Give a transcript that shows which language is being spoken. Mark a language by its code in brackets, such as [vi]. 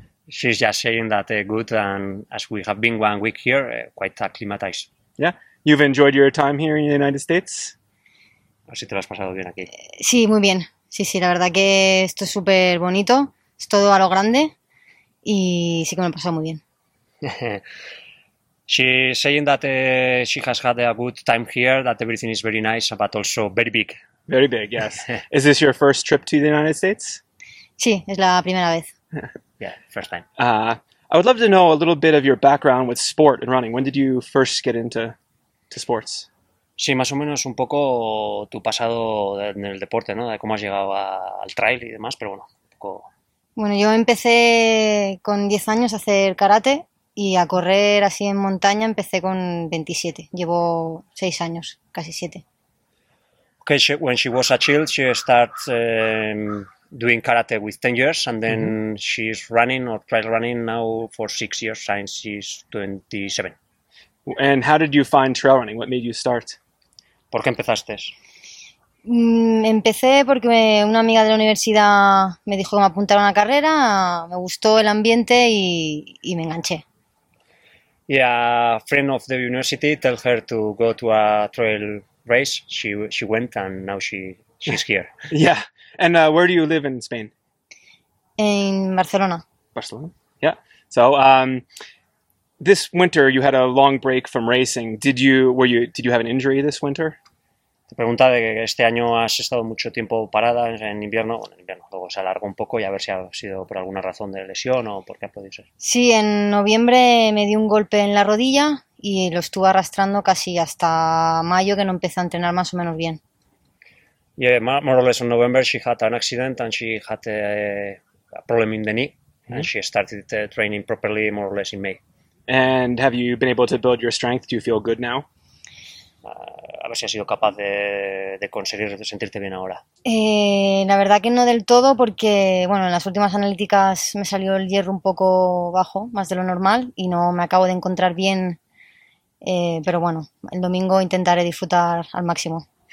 [en] She's just saying that good, and as we have been 1 week here, quite acclimatized. Yeah, you've enjoyed your time here in the United States? [es] Así te lo has pasado bien aquí. Sí, muy bien. Sí, sí, la verdad que esto es súper bonito. Es todo a lo grande. Y sí que me lo he pasado muy bien. [en] She's saying that she has had a good time here, that everything is very nice, but also very big. Very big, yes. Is this your first trip to the United States? [es] Sí, es la primera vez. [en] Yeah, first time. I would love to know a little bit of your background with sport and running. When did you first get into sports? [es] Sí, más o menos un poco tu pasado en el deporte, ¿no? De cómo has llegado al trail y demás, pero bueno, un poco... Bueno, yo empecé con 10 años a hacer karate y a correr así en montaña empecé con 27. Llevo 6 años, casi 7. [en] Okay, when she was a child, she started doing karate with 10 years and then she's running or trail running now for 6 years since she's 27. And how did you find trail running? What made you start? [es] ¿Por qué empezaste? Empecé porque una amiga de la universidad me dijo que me apuntara a una carrera, me gustó el ambiente y me enganché. [en] Y a friend of the university tell her to go to a trail race. She went and now she's here. Yeah. And where do you live in Spain? In Barcelona. Barcelona. Yeah. So this winter you had a long break from racing. Did you have an injury this winter? [es] Pregunta de que este año has estado mucho tiempo parada en invierno. Bueno, en invierno luego se alargó un poco y a ver si ha sido por alguna razón de lesión o por qué ha podido ser. Sí, en noviembre me di un golpe en la rodilla y lo estuve arrastrando casi hasta mayo que no empecé a entrenar más o menos bien. [en] Yeah, more or less in November she had an accident and she had a problem in the knee and she started training properly more or less in May. And have you been able to build your strength? Do you feel good now? [es] A ver si has sido capaz de conseguir de sentirte bien ahora. La verdad que no del todo porque, bueno, en las últimas analíticas me salió el hierro un poco bajo, más de lo normal, y no me acabo de encontrar bien, pero bueno, el domingo intentaré disfrutar al máximo.